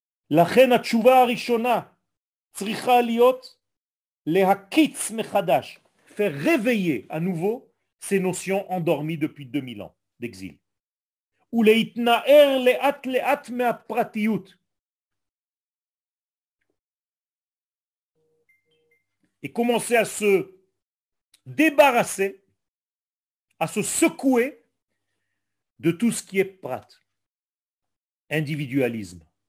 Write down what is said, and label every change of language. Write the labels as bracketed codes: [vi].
[he] לכן התשובה הראשונה צריכה להיות להקיץ מחדש, [fr] faire réveiller à nouveau ces notions endormies depuis 2000 ans d'exil. [he] ולהתנער לאט לאט מהפרטיות. [fr] Et commencer à se débarrasser, à se secouer de tout ce qui est prat, individualisme.